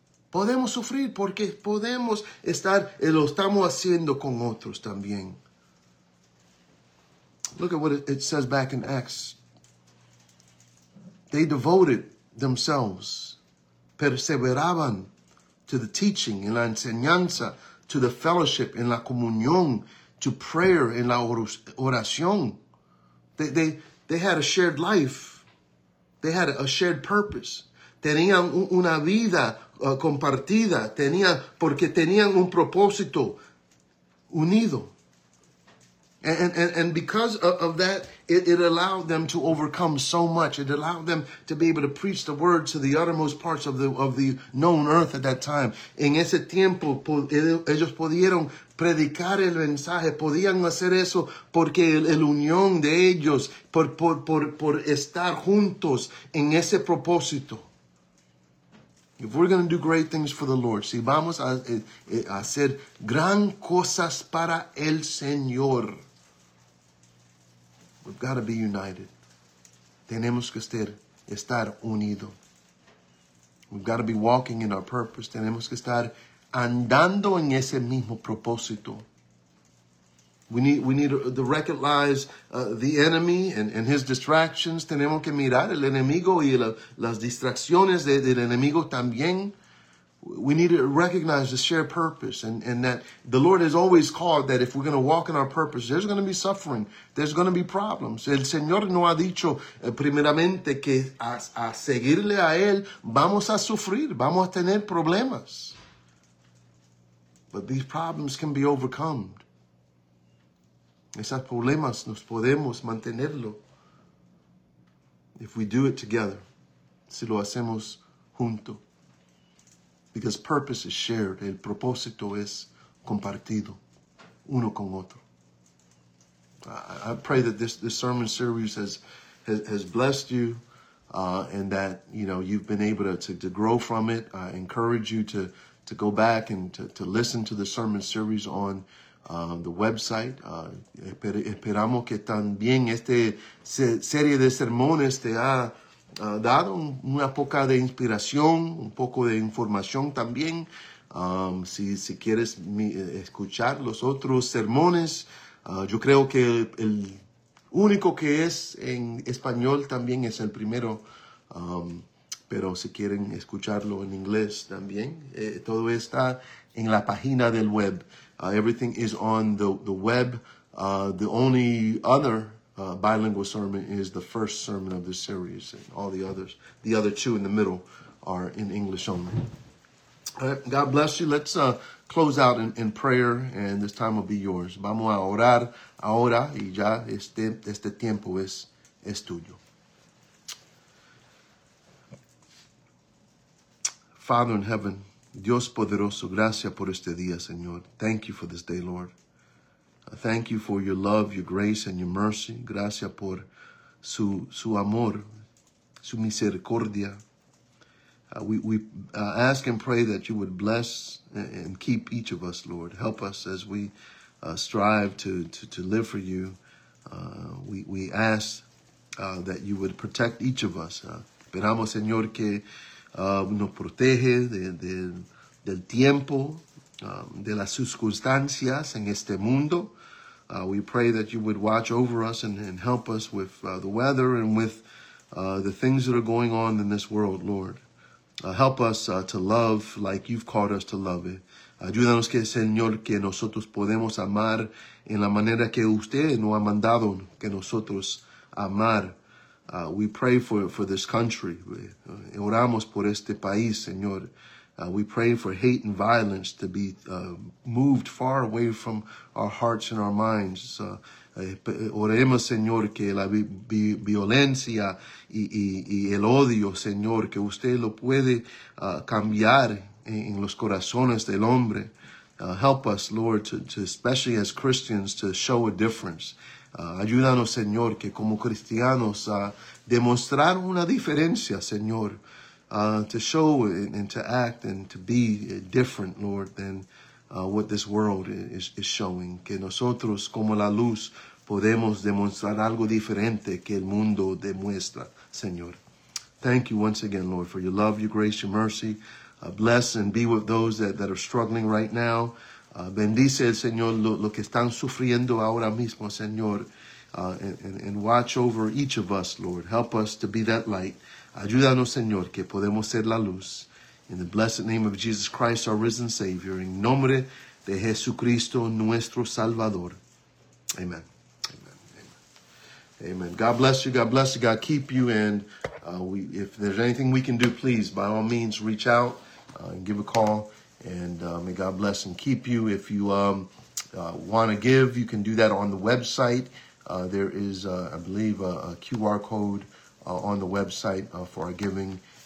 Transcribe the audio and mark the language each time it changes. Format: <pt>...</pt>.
<es>Podemos sufrir porque podemos estar, lo estamos haciendo con otros también.</es> <en>Look at what it says back in Acts. They devoted themselves,</en> <es>perseveraban</es> <en>to the teaching,</en> <es>en la enseñanza,</es> <en>to the fellowship,</en> <es>en la comunión,</es> <en>to prayer,</en> <es>en la oración.</es> <en>They had a shared life. They had a shared purpose.</en> <es>Tenían una vida compartida, porque tenían un propósito unido.</es> <en>And because of that, it allowed them to overcome so much. It allowed them to be able to preach the word to the uttermost parts of the known earth at that time.</en> <es>En ese tiempo, ellos pudieron predicar el mensaje, podían hacer eso porque el unión de ellos, por estar juntos en ese propósito.</es> <en>If we're going to do great things for the Lord,</en> <es>si vamos a hacer gran cosas para el Señor,</es> <en>we've got to be united.</en> <es>Tenemos que estar unido.</es> <en>We've got to be walking in our purpose.</en> <es>Tenemos que estar andando en ese mismo propósito.</es> <en>We need to recognize the enemy and his distractions.</en> <es>Tenemos que mirar el enemigo y las distracciones del enemigo también.</es> <en>We need to recognize the shared purpose and that the Lord has always called that if we're going to walk in our purpose, there's going to be suffering. There's going to be problems.</en> <es>El Señor no ha dicho primeramente que a seguirle a Él vamos a sufrir, vamos a tener problemas.</es> <en>But these problems can be overcome.</en> <es>Esos problemas nos podemos mantenerlo</es> <en>if we do it together,</en> <es>si lo hacemos junto.</es> <en>Because purpose is shared,</en> <es>el propósito es compartido uno con otro.</es> <en>I pray that this sermon series has blessed you and that, you know, you've been able to grow from it. I encourage you to go back and to listen to the sermon series on the website.</en> <es>Esperamos que también esta serie de sermones te ha dado una poca de inspiración, un poco de información también. Si quieres escuchar los otros sermones, yo creo que el único que es en español también es el primero. Pero si quieren escucharlo en inglés también, todo está en la página del web.</es> <en>Everything is on the web. The only other bilingual sermon is the first sermon of this series. And all the others, the other two in the middle, are in English only. All right, God bless you. Let's close out in prayer, and this time will be yours.</en> <es>Vamos a orar ahora, y ya este tiempo es tuyo.</es> <en>Father in heaven,</en> <es>Dios poderoso, gracias por este día, Señor.</es> <en>Thank you for this day, Lord. I thank you for your love, your grace, and your mercy.</en> <es>Gracias por su amor, su misericordia.</es> <en>We ask and pray that you would bless and keep each of us, Lord. Help us as we strive to live for you. We ask that you would protect each of us.</en> <es>Esperamos, Señor, que nos protege del tiempo, de las circunstancias en este mundo.</es> <en>We pray that you would watch over us and help us with the weather and with the things that are going on in this world, Lord. Help us to love like you've called us to love.</en> <es>Ayúdanos que, Señor, que nosotros podemos amar en la manera que usted nos ha mandado que nosotros amar.</es> <en>We pray for this country.</en> <es>Oramos por este país, Señor.</es> <en>We pray for hate and violence to be moved far away from our hearts and our minds.</en> <es>Oremos, Señor, que la violencia y el odio, Señor, que usted lo puede cambiar en los corazones del hombre.</es> <en>Help us, Lord, to especially as Christians, to show a difference.</en> <es>Ayúdanos, Señor, que como cristianos demostrar una diferencia, Señor,</es> <en>to show and to act and to be different, Lord, than what this world is showing.</en> <es>Que nosotros, como la luz, podemos demostrar algo diferente que el mundo demuestra, Señor.</es> <en>Thank you once again, Lord, for your love, your grace, your mercy. Bless and be with those that are struggling right now.</en> <es>Bendice el Señor lo que están sufriendo ahora mismo, Señor.</es> <en>And watch over each of us, Lord. Help us to be that light.</en> <es>Ayúdanos, Señor, que podemos ser la luz.</es> <en>In the blessed name of Jesus Christ, our risen Savior.</en> <es>En nombre de Jesucristo, nuestro Salvador.</es> <en>Amen. Amen. God bless you. God bless you. God keep you. And if there's anything we can do, please, by all means, reach out and give a call. And may God bless and keep you. If you want to give, you can do that on the website. There is, a QR code on the website for our giving.</en>